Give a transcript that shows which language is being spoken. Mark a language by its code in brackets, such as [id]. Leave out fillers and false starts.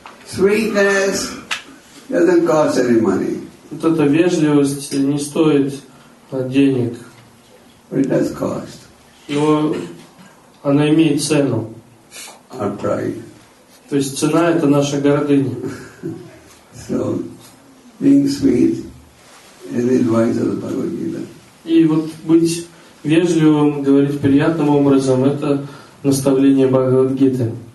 [en] Sweetness doesn't cost any money. [ru] Вот эта вежливость не стоит денег. [en] But it does cost. [ru] Но она имеет цену. [en] Our pride. [ru] То есть цена это наша гордыня. [en] So being sweet is the advice of the Bhagavad Gita. [ru] И вот быть вежливым, говорить приятным образом, это наставление Бхагавад Гиты.